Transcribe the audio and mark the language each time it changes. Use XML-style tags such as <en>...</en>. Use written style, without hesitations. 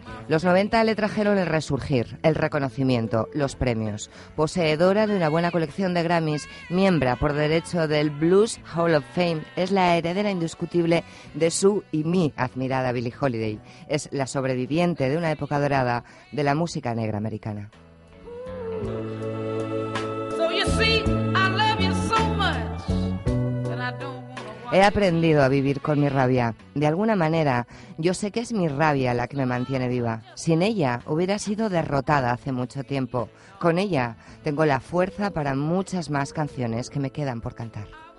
<es>Los 90 le trajeron el resurgir, el reconocimiento, los premios. Poseedora de una buena colección de Grammys, miembro por derecho del Blues Hall of Fame, es la heredera indiscutible de su y mi admirada Billie Holiday. Es la sobreviviente de una época dorada de la música negra americana.</es> <en>So you see, I love you so much, and I don't...</en> <es>He aprendido a vivir con mi rabia. De alguna manera, yo sé que es mi rabia la que me mantiene viva. Sin ella, hubiera sido derrotada hace mucho tiempo. Con ella, tengo la fuerza para muchas más canciones que me quedan por cantar.</es>